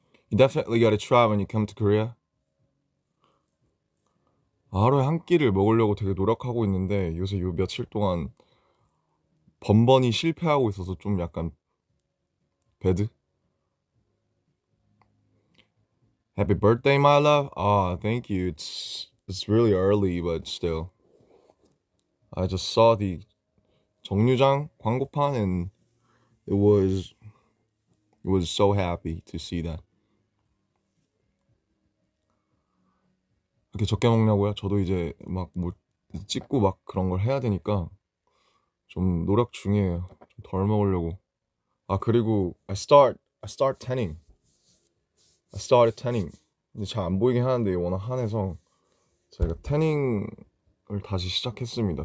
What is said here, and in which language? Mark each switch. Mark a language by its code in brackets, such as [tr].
[en] You definitely gotta try when you come to Korea. [ko] 하루에 한 끼를 먹으려고 되게 노력하고 있는데 요새 요 며칠 동안 번번이 실패하고 있어서 좀 약간 배드. [en] Happy birthday, my love. Ah, thank you. It's really early, but still. I just saw the [ko] 정류장 광고판 [en] and it was so happy to see that. [ko] 이렇게 적게 먹냐고요? 저도 이제 막뭐 찍고 막 그런 걸 해야 되니까 좀 노력 중이에요. 좀덜 먹으려고. 아, 그리고 [en] I start tanning. I started tanning. [ko] 근데 잘안 보이긴 하는데 워낙 한해서 제가 태닝을 다시 시작했습니다.